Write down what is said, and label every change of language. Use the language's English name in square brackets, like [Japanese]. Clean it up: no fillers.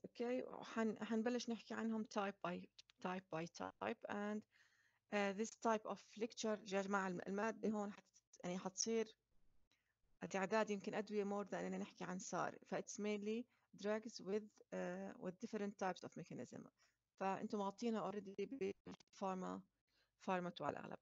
[Arabic] Okay, حنبلش نحكي عنهم [English] type by type, and this type of lecture [Arabic] يا جماعة المادة هون يعني حتصير تعداد يمكن أدوية [English] more than [Arabic] أننا نحكي عن سار. [English] فit's mainly drugs with different types of mechanism. [Arabic] فأنتم معطينا already pharma على الأغلب.